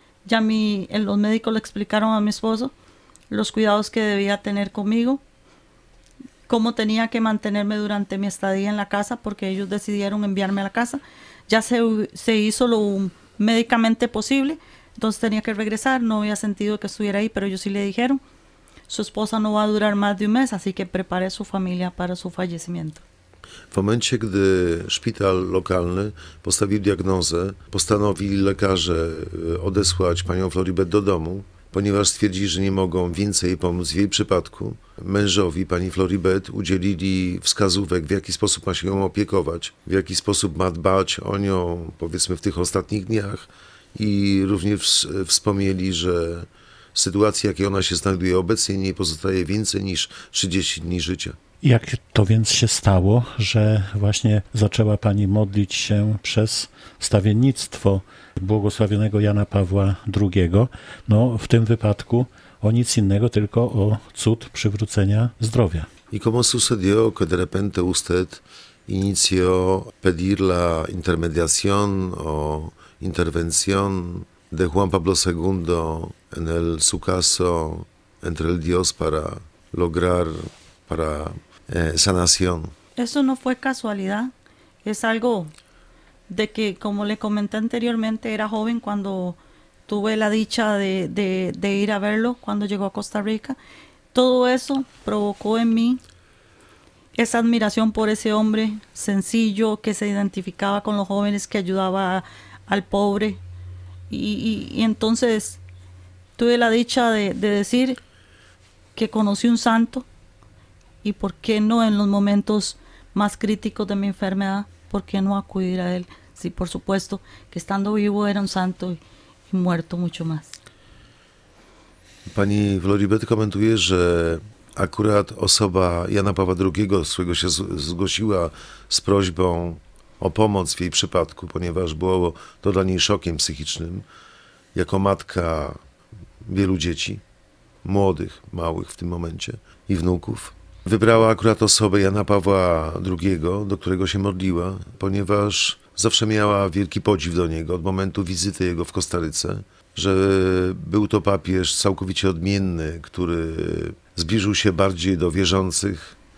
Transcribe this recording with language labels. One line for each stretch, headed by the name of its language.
Spanish: Ya los médicos le explicaron a mi esposo los cuidados que debía tener conmigo, cómo tenía que mantenerme durante mi estadía en la casa porque ellos decidieron enviarme a la casa. Ya se hizo lo médicamente posible, entonces tenía que regresar. No había sentido que estuviera ahí, pero ellos sí le dijeron. Su esposa no va a durar más de un mes, así que prepare su familia para su fallecimiento.
Polish: W momencie, gdy szpital lokalny postawił diagnozę, postanowili lekarze odesłać panią Floribet do domu, ponieważ stwierdzili, że nie mogą więcej pomóc w jej przypadku. Mężowi pani Floribet udzielili wskazówek, w jaki sposób ma się ją opiekować, w jaki sposób ma dbać o nią, powiedzmy, w tych ostatnich dniach. I również wspomnieli, że sytuacji, jakiej ona się znajduje obecnie, nie pozostaje więcej niż 30 dni życia. Jak to więc się stało, że właśnie zaczęła pani modlić się przez stawiennictwo błogosławionego Jana Pawła II? No w tym wypadku o nic innego, tylko o cud przywrócenia zdrowia.
Spanish: I como sucedió que de repente usted inició pedir la intermediación o intervención de Juan Pablo II en el su caso entre el Dios para lograr para sanación. Eso no fue casualidad, es algo de que, como le comenté anteriormente, era joven cuando tuve la dicha de ir a verlo cuando llegó a Costa Rica. Todo eso provocó en mí esa admiración por ese hombre sencillo que se identificaba con los jóvenes, que ayudaba al pobre. Y entonces tuve la dicha de decir que conocí un santo. ¿Y por qué no en los momentos más críticos de mi enfermedad? ¿Por qué no acudir a él? Sí, por supuesto, que estando vivo era un santo y muerto mucho más.
Polish: Pani Floribet comentuje, że akurat osoba Jana Pawła II, z którego się zgłosiła z prośbą o pomoc w jej przypadku, ponieważ było to dla niej szokiem psychicznym, jako matka wielu dzieci, młodych, małych w tym momencie, i wnuków, wybrała akurat osobę Jana Pawła II, do którego się modliła, ponieważ zawsze miała wielki podziw do niego od momentu wizyty jego w Kostaryce, że był to papież całkowicie odmienny, który zbliżył się bardziej do wierzących.